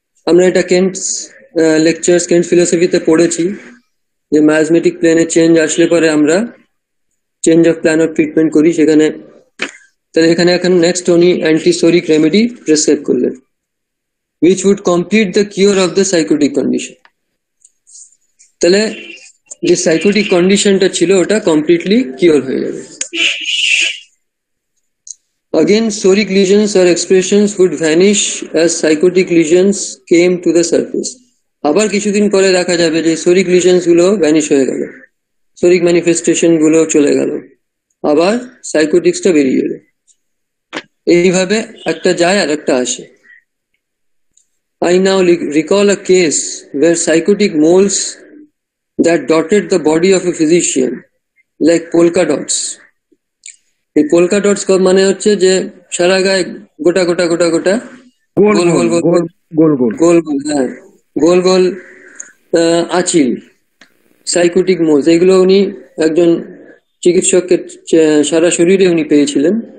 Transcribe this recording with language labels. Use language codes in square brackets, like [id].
[bn] আমরা এটা কেন্টস lectures Kent ফিলোসফিতে পড়েছি যে ম্যাজমেটিক প্ল্যানে চেঞ্জ আসলে পরে আমরা change of plan of treatment করি সেখানে। তাহলে এখানে এখন নেক্সট উনি অ্যান্টিসোরিক রেমেডি প্রেসক্রাইব করলেন [en] Which would complete the cure of the sycotic condition. [bn] তাহলে যে সাইকোটিক কন্ডিশনটা ছিল ওটা কমপ্লিটলি কিওর হয়ে যাবে। [en] Again, soric lesions or expressions would vanish as psychotic lesions came to the surface. [bn] আবার কিছুদিন পরে দেখা যাবে যে soric lesions গুলো vanish হয়ে গেল, soric manifestation গুলো চলে গেল, আবার psychoticsটা বেরিয়ে এলো। এইভাবে একটা যায় আর একটা আসে। [en] I now recall a case where psychotic moles that dotted the body of a physician like polka dots. [bn] এই পোলকা ডটস মানে হচ্ছে যে সারা গায়ে গোটা গোটা গোটা গোটা গোল গোল গোল গোল গোল গোল গোল গোল গোল আঁচিল, সাইকোটিক মোলস, এগুলো উনি একজন চিকিৎসককে সারা শরীরে উনি পেয়েছিলেন।